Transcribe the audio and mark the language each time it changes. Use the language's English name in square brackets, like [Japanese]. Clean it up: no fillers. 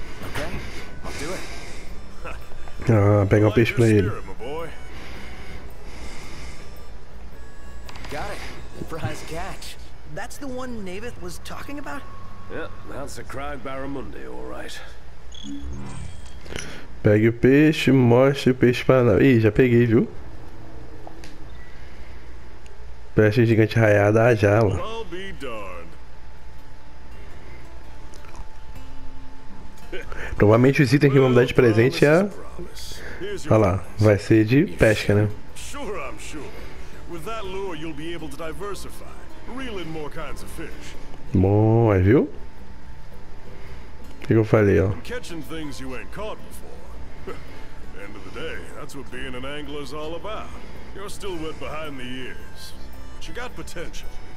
[English] Okay, I'll do it. [Portuguese] pega um peixe pra ele. [English] Spirit, my boy. Got it. Prize catch. That's the one Navith was talking about? Yeah, that's the Crag Barramundi, all right. [Portuguese] Pegue o peixe, mostre o peixe para nós. Ih, já peguei, viu? Peixe gigante raiado, a jala. [English] I'll be darned. [Portuguese] Provavelmente os itens que vamos dar de presente é... Olha lá, vai ser de pesca, né? [English] Sure, I'm sure. With that lure, you'll be able to diversify. Reel in more kinds of fish. [Portuguese] Bom, aí viu? O que eu falei, ó? [English] Catching things you ain't caught before. End of the day, that's what being an angler's all about. You're still wet behind the ears, but you got potential.